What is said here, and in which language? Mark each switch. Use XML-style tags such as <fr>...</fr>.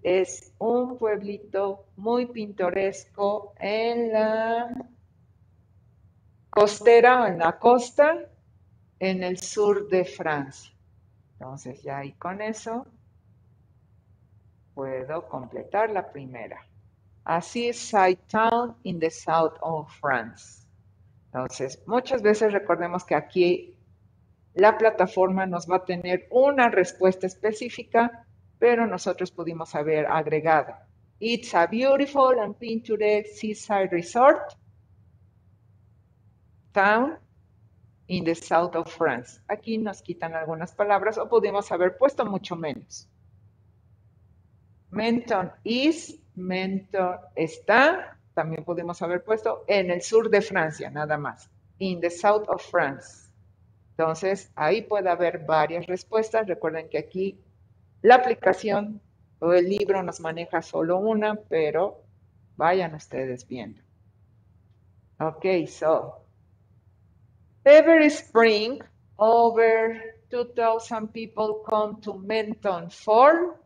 <es>Es un pueblito muy pintoresco en la costera o en la costa en el sur de Francia. Entonces, ya ahí con eso puedo completar la primera. Así es,</es> <en>Seaside Town in the South of France.</en> <es>Entonces, muchas veces recordemos que aquí la plataforma nos va a tener una respuesta específica, pero nosotros pudimos haber agregado:</es> <en>It's a beautiful and picturesque seaside resort town in the south of France.</en> <es>Aquí nos quitan algunas palabras o pudimos haber puesto mucho menos.</es> <en>Menton is,</en> <es>Menton está, también pudimos haber puesto en el sur de Francia, nada más.</es> <en>In the south of France.</en> <es>Entonces, ahí puede haber varias respuestas. Recuerden que aquí la aplicación o el libro nos maneja solo una, pero vayan ustedes viendo. Ok, so.</es> <en>Every spring, over 2,000 people come to Menton Farm.</en>